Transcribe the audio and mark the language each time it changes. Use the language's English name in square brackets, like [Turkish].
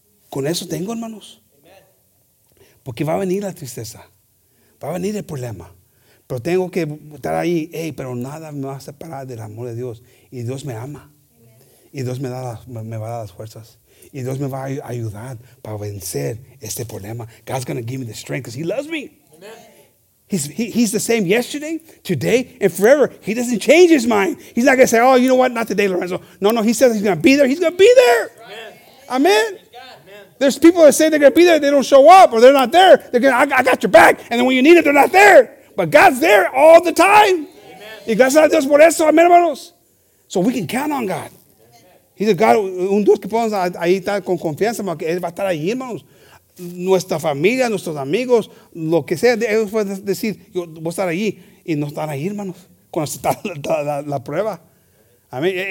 [Spanish] Con eso tengo, hermanos. Porque va a venir la tristeza. Va a venir el problema. Pero tengo que estar ahí. Hey, pero nada me va a separar del amor de Dios. Y Dios me ama. Y Dios me va a dar las fuerzas. Y Dios me va a ayudar para vencer este problema. [English] God's going to give me the strength because he loves me. He's the same yesterday, today, and forever. He doesn't change his mind. He's not going to say, oh, you know what? Not today, Lorenzo. No, no. He says he's going to be there. He's going to be there. Amen. Amen. There's people that say they're going to be there. They don't show up or they're not there. They're going, I got your back. And then when you need it, they're not there. But God's there all the time. Amen. [Spanish] Y gracias a Dios por eso, amén, hermanos. [English] So we can count on God. He's a God, [Spanish] un Dios que podemos ahí estar con confianza, porque Él va a estar ahí, hermanos. Nuestra familia, nuestros amigos, lo que sea, ellos pueden decir, yo voy a estar ahí, y no estar ahí, hermanos, cuando está la prueba. Amén.